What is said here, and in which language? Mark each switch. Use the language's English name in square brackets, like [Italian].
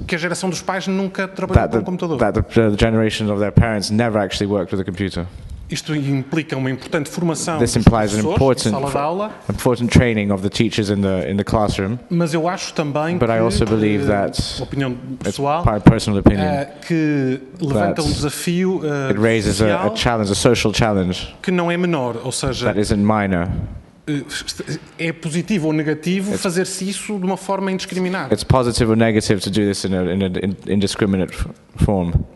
[Portuguese] que a geração dos pais nunca trabalhou com um computador [English] that the generation of their parents never actually worked with a computer. [Portuguese] Isto implica uma importante formação [English] this implies an important, [Portuguese] sala de aula, [English] important training of the teachers in the classroom. [Portuguese] Mas eu acho também [English] but [Portuguese] que, [English] I also believe that [Portuguese] opinião pessoal, [English] my personal opinion [Portuguese] que levanta um desafio [English] it raises [Portuguese] social, [English] a challenge, a social challenge [Portuguese] que não é menor, ou seja [English] that isn't minor. [Portuguese] É positivo ou negativo fazer-se isso de uma forma indiscriminada. [English] It's positive or negative to do this in an indiscriminate form.